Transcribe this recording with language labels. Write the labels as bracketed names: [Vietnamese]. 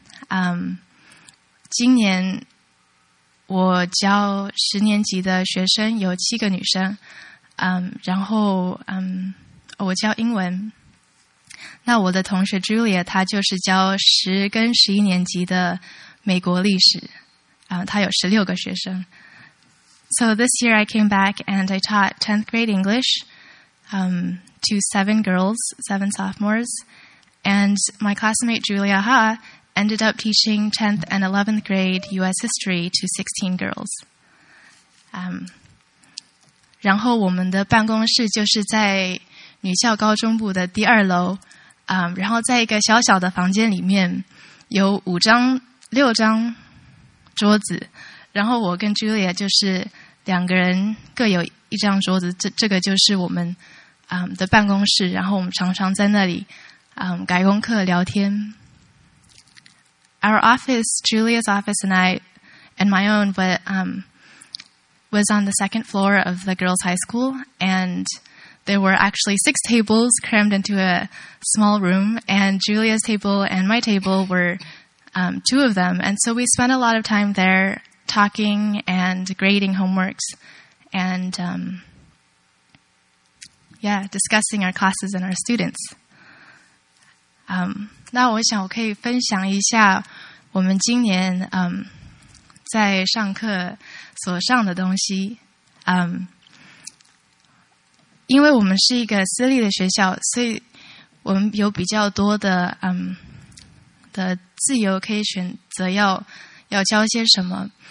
[Chinese] In 今年我教十年级的学生有七个女生，然后我教英文。那我的同学 Julia 她就是教十跟十一年级的美国历史，她有十六个学生。 [English] So this year I came back and I taught 10th grade English, to seven girls, seven sophomores, and my classmate Julia Ha ended up teaching 10th and 11th grade U.S. history to 16 girls. [Chinese] 然后我们的办公室就是在女校高中部的第二楼，然后在一个小小的房间里面有六张桌子，然后我跟 Julia 就是两个人各有一张桌子，这个就是我们的办公室，然后我们常常在那里改功课聊天。 [English] Our office, Julia's office and my own, was on the second floor of the girls' high school, and there were actually six tables crammed into a small room, and Julia's table and my table were two of them, and so we spent a lot of time there talking and grading homeworks and discussing our classes and our students. [Chinese] 那我想我可以分享一下我们今年在上课所上的东西。因为我们是一个私立的学校，所以我们有比较多的的自由可以选择要教些什么。